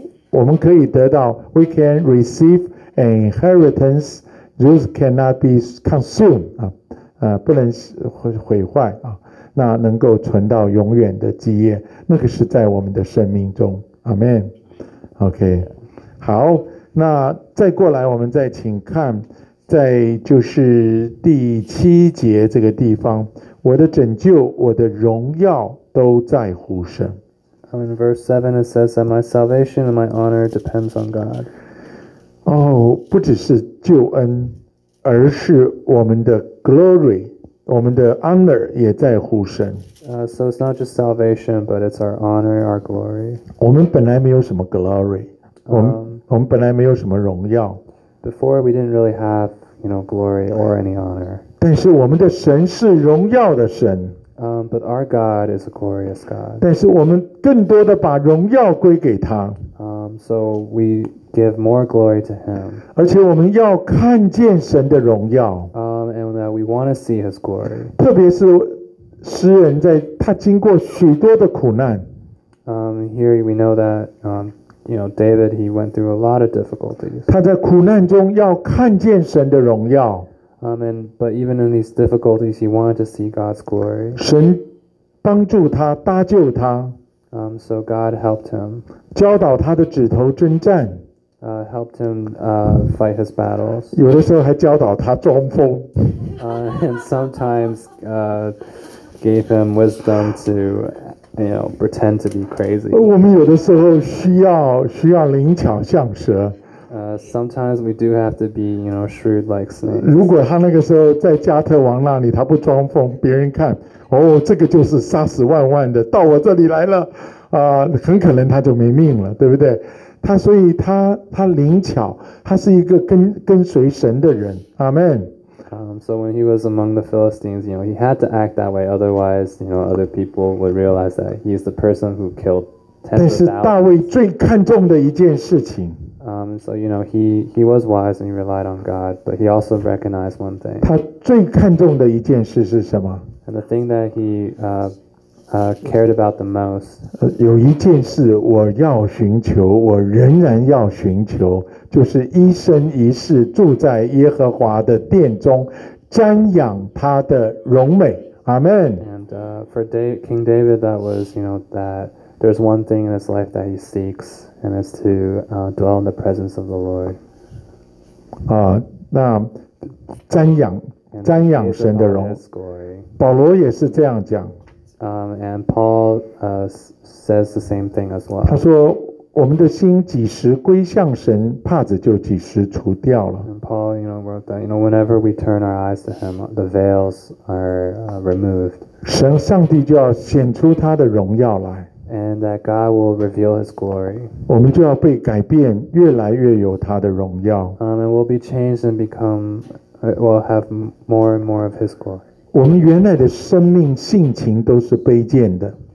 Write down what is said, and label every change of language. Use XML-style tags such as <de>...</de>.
<zh>我们可以得到 ，</zh> <en>we can receive an inheritance that cannot be consumed</en> <zh>不能毁坏啊，那能够存到永远的基业，那个是在我们的生命中 ，Amen。OK， 好，那再过来我们再请看在就是第七节这个地方，我的拯救我的荣耀都在乎神。</zh> <en>In verse 7 it says that my salvation and my honor depends on God.</en> <zh>哦，不只是救恩，而是我们的 glory, 我们的 honor 也在乎神。</zh> <en>So it's not just salvation, but it's our honor, our glory.</en> <zh>我们本来没有什么 glory, 我们本来没有什么荣耀。</zh> <en>Before we didn't really have, you know, glory or any honor.</en> <zh>但是我们的神是荣耀的神。</zh> <en>But our God is a glorious God.</en> <zh>但是我们更多的把荣耀归给他。</zh> <en>So we give more glory to him.</en> <zh>而且我们要看见神的荣耀。</zh> <en>And that we want to see his glory.</en> <zh>特别是诗人在他经过许多的苦难。</zh> <en>Here we know that, you know, David, he went through a lot of difficulties.</en> <zh>他在苦难中要看见神的荣耀。</zh> <en>But even in these difficulties, he wanted to see God's glory.</en> <zh>神帮助他，搭救他。</zh> <en>So God helped him.</en> <zh>教导他的指头征战。</zh> <en>Helped him fight his battles.</en> <zh>有的时候还教导他装疯。</zh> <en>And sometimes gave him wisdom to, you know, pretend to be crazy.</en> <zh>我们有的时候需要灵巧像蛇。</zh> <en>Sometimes we do have to be, you know, shrewd like snakes.</en> <zh>如果他那个时候在加特王那里，他不装疯，别人看，哦，这个就是杀死万万的，到我这里来了，很可能他就没命了，对不对？所以他灵巧，他是一个跟随神的人。</zh> <en>Amen. So when he was among the Philistines, you know, he had to act that way. Otherwise, you know, other people would realize that he is the person who killed tens of thousands.</en> <zh>但是大卫最看重的一件事情。</zh> <en>So, you know, he was wise and he relied on God, but he also recognized one thing.</en> <zh>他最看重的一件事是什么?</zh> <en>And the thing that he cared about the most.</en> <zh>有一件事我要寻求，我仍然要寻求，就是一生一世住在耶和华的殿中，瞻仰他的荣美。</zh> <en>Amen. And for King David, that was, you know, that there's one thing in his life that he seeks. And it's to dwell in the presence of the Lord.</en> <zh>那瞻仰神的荣耀。保罗也是这样讲。</zh> <en>And Paul says the same thing as well.</en> <zh>他说，我们的心几时归向神，帕子就几时除掉了。</zh> <en>And Paul, you know, wrote that, you know, whenever we turn our eyes to him, the veils are removed.</en> <zh>神上帝就要显出他的荣耀来。</zh> <en>And that God will reveal His glory.</en> <zh>我们就要被改变，越来越有他的荣耀。</zh> <en>And we'll be changed and become, we'll have more and more of His glory.</en> <zh>我们原来的生命性情都是卑贱的。</zh>